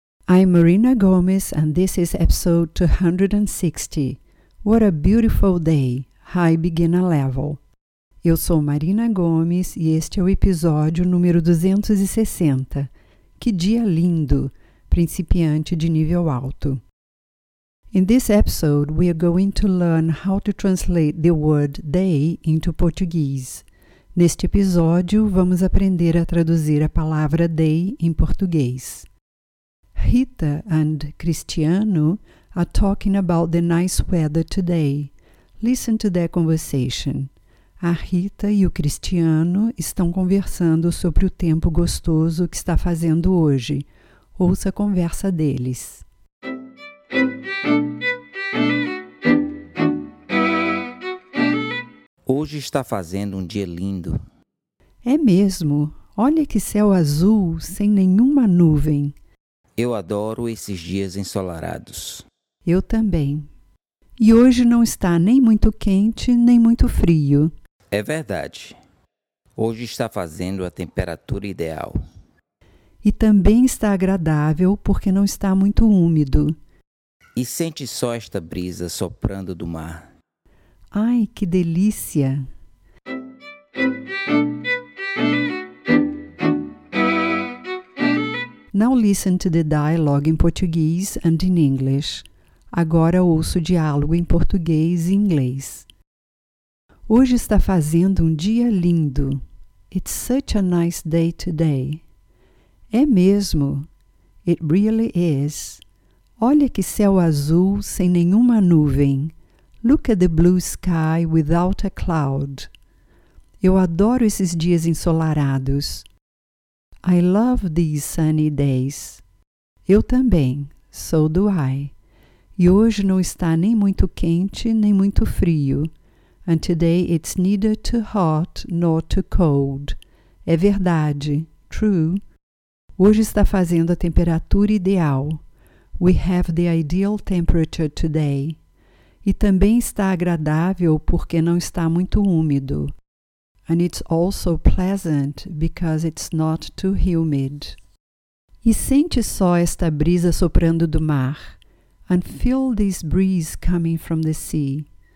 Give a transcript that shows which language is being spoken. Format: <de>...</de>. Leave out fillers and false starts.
<en>I'm Marina Gomes and this is episode 260. What a beautiful day! High beginner level.</en> <pt>Eu sou Marina Gomes e este é o episódio número 260. Que dia lindo! Principiante de nível alto.</pt> <en>In this episode, we are going to learn how to translate the word day into Portuguese.</en> <pt>Neste episódio, vamos aprender a traduzir a palavra day em português.</pt> <en>Rita and Cristiano are talking about the nice weather today. Listen to their conversation.</en> <pt>A Rita e o Cristiano estão conversando sobre o tempo gostoso que está fazendo hoje. Ouça a conversa deles. Hoje está fazendo um dia lindo. É mesmo. Olha que céu azul, sem nenhuma nuvem. Eu adoro esses dias ensolarados. Eu também. E hoje não está nem muito quente, nem muito frio. É verdade. Hoje está fazendo a temperatura ideal. E também está agradável porque não está muito úmido. E sente só esta brisa soprando do mar. Ai, que delícia!</pt> <en>Now listen to the dialogue in Portuguese and in English.</en> <pt>Agora ouço o diálogo em português e inglês. Hoje está fazendo um dia lindo.</pt> <en>It's such a nice day today.</en> <pt>É mesmo.</pt> <en>It really is.</en> <pt>Olha que céu azul sem nenhuma nuvem.</pt> <en>Look at the blue sky without a cloud.</en> <pt>Eu adoro esses dias ensolarados.</pt> <en>I love these sunny days.</en> <pt>Eu também.</pt> <en>So do I.</en> <pt>E hoje não está nem muito quente nem muito frio.</pt> <en>And today it's neither too hot nor too cold.</en> <pt>É verdade.</pt> <en>True.</en> <pt>Hoje está fazendo a temperatura ideal.</pt> <en>We have the ideal temperature today.</en> <pt>E também está agradável porque não está muito úmido.</pt> <en>And it's also pleasant because it's not too humid.</en> <pt>E sente só esta brisa soprando do mar.</pt> <en>And feel this breeze coming from the sea.</en>